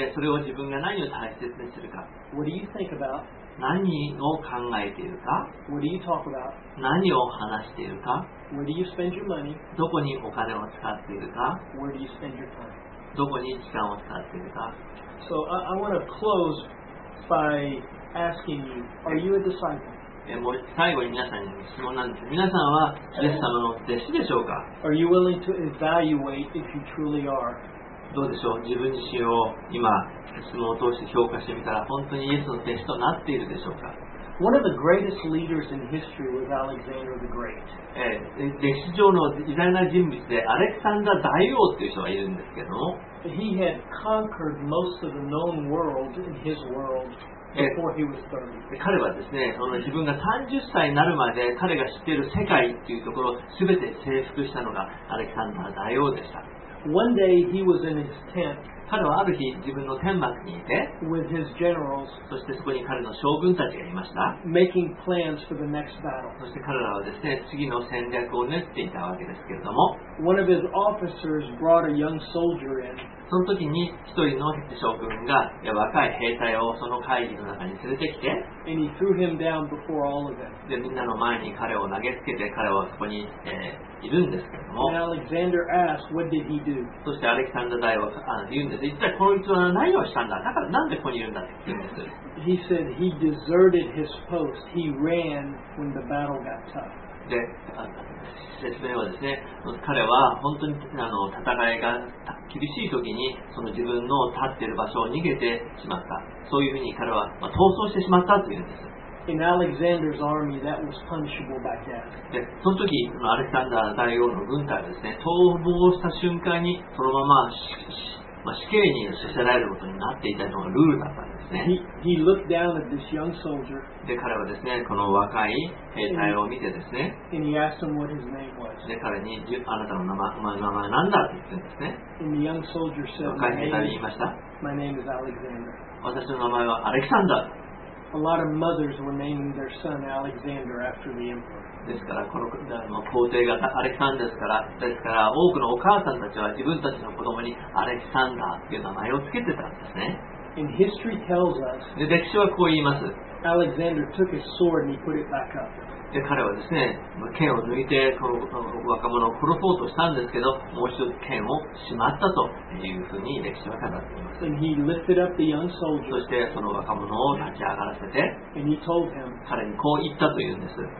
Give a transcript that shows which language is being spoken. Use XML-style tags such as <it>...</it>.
<ja>で、それを自分が何を大切にするか。</ja> <en>What do you think about?</en> <ja>何を考えているか。</ja> <en>What do you talk about?</en> <ja>何を話しているか。</ja> <en>Where do you spend your money?</en> <ja>どこにお金を使っているか。</ja> <en>Where do you spend your time?</en> <ja>どこに時間を使っているか。</ja> <en>So I want to close byAsking you, are you a disciple?</en> <ja>もう最後に皆さんに質問なんです。皆さんはイエス様の弟子でしょうか？</ja> <en>Are you willing to evaluate if you truly are?</en> <ja>どうでしょう？自分自身を今質問を通して評価してみたら、本当にイエスの弟子となっているでしょうか？</ja> <en>One of the greatest leaders in history was Alexander the Great.</en> <ja>歴史上の偉大な人物でアレクサンダー大王っていう人がいるんですけども、</ja> <en>He had conquered most of the known world in his world. Before he was 30.</en> <ja>彼はですね、自分が30歳になるまで彼が知っている世界っていうところを全て征服したのがアレクサンダー大王でした。</ja> <en>One day he was in his tent.</en> <ja>彼はある日自分の天幕にいて、</ja> <en>with his generals,</en> <ja>そしてそこに彼の将軍たちがいました。</ja> <en>Making plans for the next battle.</en> <ja>そして彼らはですね、次の戦略を練っていたわけですけれども、</ja> <en>One of his officers brought a young soldier in.</en> <ja>その時に一人の将軍が若い兵隊をその会議の中に連れてきて、</ja> <en>And he threw him down before all of them.</en> <ja>でみんなの前に彼を投げつけて、彼はそこに、いるんですけども、</ja> <en>And Alexander asked, What did he do?</en> <ja>そしてアレキサンダー大王は言うんです。一体こいつは何をしたんだ？だからなんでここにいるんだって言うんです。</ja> <en>He said he deserted his post. He ran when the battle got tough.</en> <ja>で説明はですね、彼は本当に戦いが厳しい時にその自分の立っている場所を逃げてしまった。そういうふうに彼は、まあ、逃走してしまったというんです。</ja> <en>In Alexander's army, that was punishable by death.</en> <ja>で、その時アレキサンダー大王の軍隊はですね、逃亡した瞬間にそのまま死刑に処せられることになっていたのがルールだったんです。</ja> <en>He looked down at this young soldier.</en> <ja>で彼はですね、この若い兵隊を見てですね。</ja> <en>And he asked him what his name was.</en> <ja>で彼にあなたの名前なんだって言ってですね。</ja> <en>And the young soldier said,</en> <ja>若い兵隊に言いました。</ja> <en>My name is Alexander.</en> <ja>私の名前はアレキサンダー。</ja> <en>A lot of mothers were naming their son Alexander after the emperor.</en> <ja>ですからこの皇帝がアレキサンダーですから、ですから多くのお母さんたちは自分たちの子供にアレキサンダーという名前をつけてたんですね。</ja> <en>In history tells us,</en> <ja>で歴史はこう言います。</ja> <en>Alexander took his sword and he put it back up.</en> <ja>で彼はですね、剣を抜いてこの若者を殺そうとしたんですけど、もう一度剣をしまったというふうに歴史は語っています。</ja> <en>And he lifted up the young soldier.</en> <ja>そしてその若者を立ち上がらせて、</ja> <en>and he told him,</en> <ja>彼にこう言ったというんです。</ja>